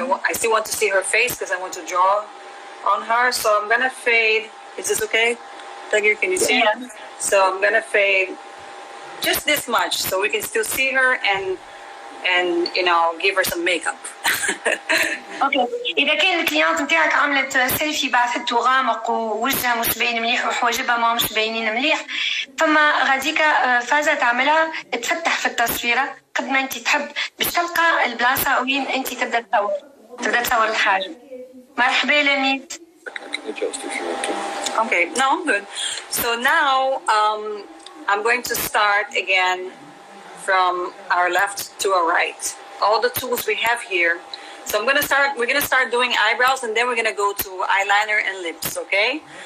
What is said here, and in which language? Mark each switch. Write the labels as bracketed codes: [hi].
[en] I still want to see her face because I want to draw on her. So I'm gonna fade. Is this okay? Tiger, can you see? Yeah. So I'm gonna fade just this much so we can still see her and you know, give her some makeup. Okay. [ar] إذا كان الكليانت نتاعك عملت سيلفي بعثت غامق ووجهها مش باين مليح وحواجبها ما مش باينين مليح، فما غاديكا فازة تعملها تفتح في التصويرة قد ما أنت تحب باش تلقى البلاصة وين أنت تبدأ تصور، تبدأ تصور الحاجة. مرحبا لميت. [en] Okay, no, I'm good. So now I'm going to start again from our left to our right. All the tools we have here. So I'm gonna start, we're gonna start doing eyebrows and then we're gonna go to eyeliner and lips, okay?